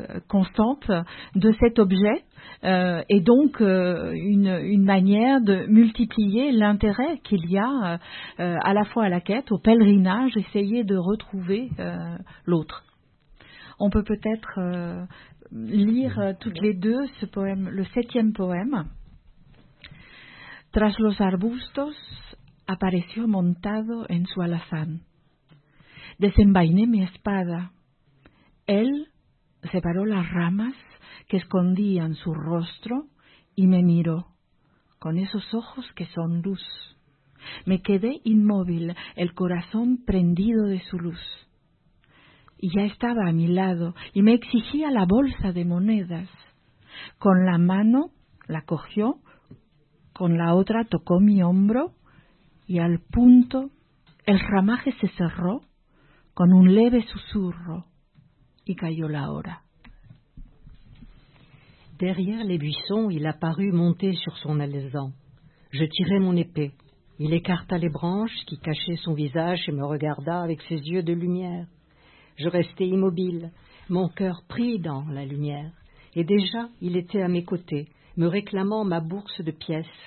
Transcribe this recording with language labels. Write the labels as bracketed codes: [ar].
[fr] constante de cet objet, et donc une manière de multiplier l'intérêt qu'il y a à la fois à la quête, au pèlerinage, essayer de retrouver l'autre. On peut peut-être lire toutes les deux ce poème, le septième poème. [es] Tras los arbustos apareció montado en su alazán. Desenvainé mi espada. Él separó las ramas que escondían su rostro y me miró con esos ojos que son luz. Me quedé inmóvil, el corazón prendido de su luz. Y ya estaba a mi lado y me exigía la bolsa de monedas. Con la mano la cogió, con la otra tocó mi hombro y al punto el ramaje se cerró con un leve susurro y cayó la hora. [fr] Derrière les buissons, il apparut monté sur son alezan. Je tirai mon épée. Il écarta les branches qui cachaient son visage et me regarda avec ses yeux de lumière. Je restais immobile, mon cœur pris dans la lumière, et déjà il était à mes côtés, me réclamant ma bourse de pièces.